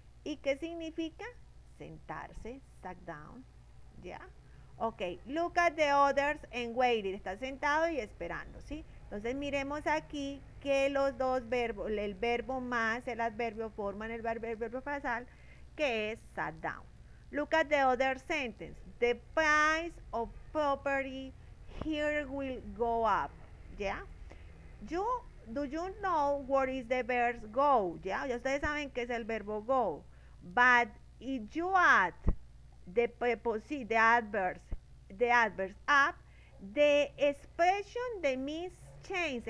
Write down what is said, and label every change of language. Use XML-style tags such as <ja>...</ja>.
<es>¿Y qué significa? Sentarse, sat down, ¿ya?</es> <en>Ok, look at the others and waited,</en> <es>está sentado y esperando,</es> <en>¿sí?</en> <es>Entonces miremos aquí que los dos verbos, el verbo más el adverbio forman el verbo phrasal, que es sat down.</es> <en>Look at the other sentence. The price of property here will go up. Yeah. Do you know what is the verb go? Yeah.</en> <es>Ya ustedes saben que es el verbo go.</es> <en>But if you add the adverb up, the expression the means change.</en>